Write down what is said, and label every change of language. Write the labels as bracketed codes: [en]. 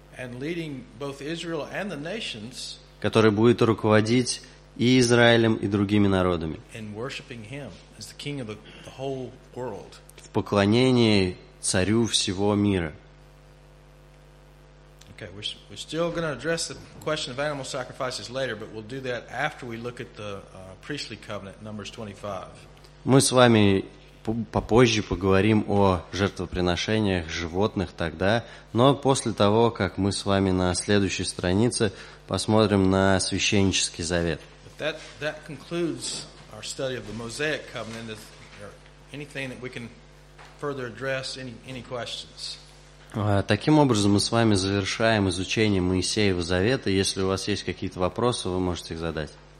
[en] And leading both Israel and the nations, [ru] который будет руководить и Израилем, и другими народами. [en] In worshiping him as the king of the whole world. [ru] В поклонении царю всего мира. [en] Okay, we're still going to address the question of animal sacrifices later, but we'll do that after we look at the priestly covenant, Numbers 25. [ru] Мы с вами попозже поговорим о жертвоприношениях животных тогда, но после того, как мы с вами на следующей странице посмотрим на священнический завет. [en] That concludes our study of the Mosaic covenant. Is there anything that we can further address? Any questions? [ru] Таким образом, мы с вами завершаем изучение Моисеева Завета. Если у вас есть какие-то вопросы, вы можете их задать.